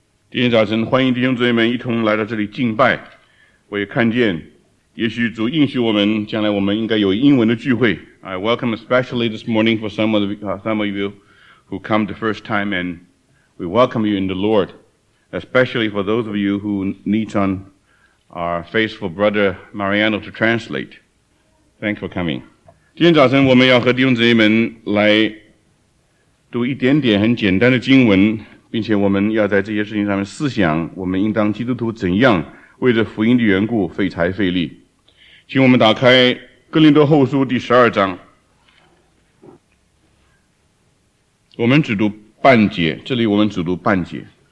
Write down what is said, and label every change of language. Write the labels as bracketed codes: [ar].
[zh] 今天早晨，欢迎弟兄姊妹们一同来到这里敬拜。我也看见，也许主应许我们，将来我们应该有英文的聚会。 [en] I welcome especially this morning for some of you who come the first time, and we welcome you in the Lord, especially for those of you who need on our faithful brother Mariano to translate. Thanks for coming. [zh] 今天早晨，我们要和弟兄姊妹们来读一点点很简单的经文。并且我们要在这些事情上面思想，我们应当基督徒怎样为着福音的缘故费财费力。请我们打开哥林多后书第十二章，我们只读半节，这里我们只读半节。